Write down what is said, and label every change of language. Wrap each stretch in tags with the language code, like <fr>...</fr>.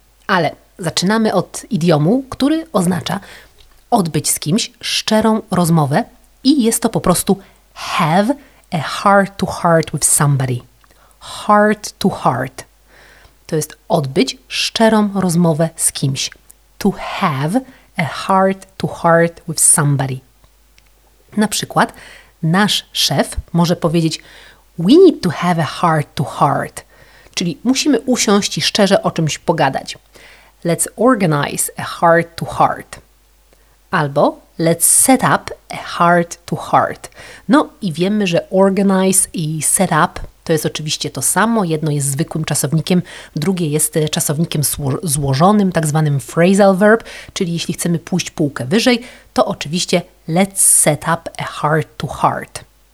<pl>Ale zaczynamy od idiomu, który oznacza odbyć z kimś szczerą rozmowę i jest to po prostu</pl> <en>have a heart to heart with somebody. Heart to heart.</en> <pl>To jest odbyć szczerą rozmowę z kimś.</pl> <en>To have a heart to heart with somebody.</en> <pl>Na przykład nasz szef może powiedzieć</pl> <en>we need to have a heart to heart.</en> <pl>Czyli musimy usiąść i szczerze o czymś pogadać.</pl> <en>Let's organize a heart to heart. Albo let's set up a heart to heart.</en> <pl>No i wiemy, że organize i set up to jest oczywiście to samo. Jedno jest zwykłym czasownikiem, drugie jest czasownikiem złożonym, tak zwanym phrasal verb. Czyli jeśli chcemy pójść półkę wyżej, to oczywiście</pl> <en>let's set up a heart to heart.</en>